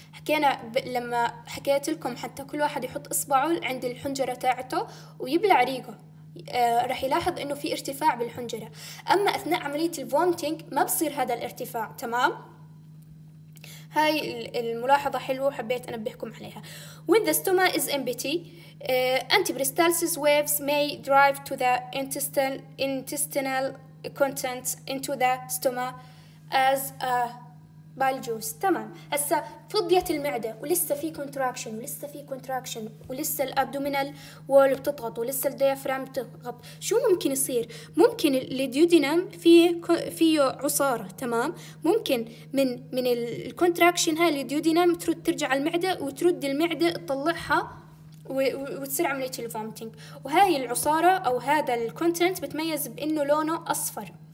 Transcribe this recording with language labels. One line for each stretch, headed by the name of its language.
Arabic: حكينا لما حكيت لكم حتى كل واحد يحط اصبعه عند الحنجرة تاعته ويبلع ريقه، رح يلاحظ انه في ارتفاع بالحنجرة. اما اثناء عملية الفومتينج ما بصير هذا الارتفاع. تمام. هاي الملاحظة حلوة حبيت انبهكم عليها.
English: When the stomach is empty, antibristalsis waves may drive to the intestinal contents into the stomach as a bile juice.
Arabic: تمام. هسا فضيت المعدة ولسه في contraction ولسه في contraction ولسه الابدومينال وول بتضغط ولسه الديافرام بتضغط، شو ممكن يصير؟ ممكن الديودينام فيه عصارة. تمام. ممكن من contraction هاي الديودينام ترد ترجع المعدة وترد المعدة تطلعها وتصير عملية الفومتينج، وهاي العصارة او هذا الكونتنت بتميز بانه لونه اصفر.